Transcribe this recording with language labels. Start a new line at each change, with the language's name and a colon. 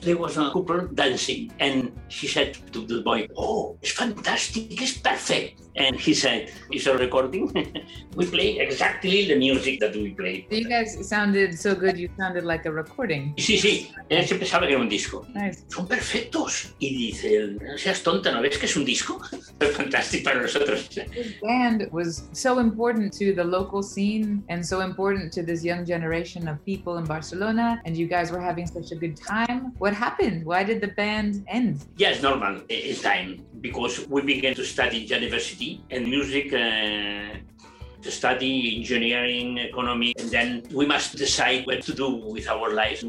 English: There was a couple dancing, and she said to the boy, "Oh, it's fantastic, it's perfect." And he said, "It's a recording." We play exactly the music that we play. You guys sounded so good, you sounded like a recording.
Spanish: Sí, sí. Él se pensaba que era un disco.
English: Nice.
Spanish: Son perfectos. Y dice, no seas tonta, ¿no ves que es un disco? Es fantástico para nosotros.
English: This band was so important to the local scene and so important to this young generation of people in Barcelona, and you guys were having such a good time. What happened? Why did the band end? Yes, normal. It's time. Because we began to study in university and music, to study engineering, economy, and then we must decide what to do with our lives.